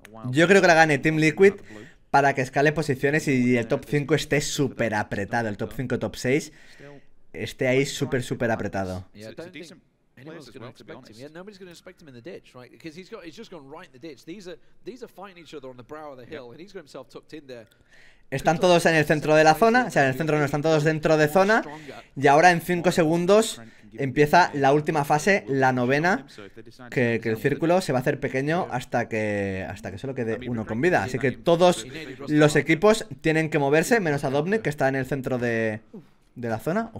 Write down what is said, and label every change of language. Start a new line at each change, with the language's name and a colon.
Spanish: Yo creo que la gane Team Liquid para que escale posiciones y el top 5 esté súper apretado, el top 5, top 6 esté ahí súper, súper apretado.
English: Anyone's going to expect him. Yeah, nobody's going to expect him in the ditch, right? Because he's just gone right in the ditch. These are fighting each other on the brow of the hill, and he's got himself tucked in there.
Spanish: Están todos en el centro de la zona, o sea, en el centro no, están todos dentro de zona. Y ahora en 5 segundos empieza la última fase, la novena, que el círculo se va a hacer pequeño hasta que solo quede uno con vida. Así que todos los equipos tienen que moverse, menos a Dobne, que está en el centro de la zona.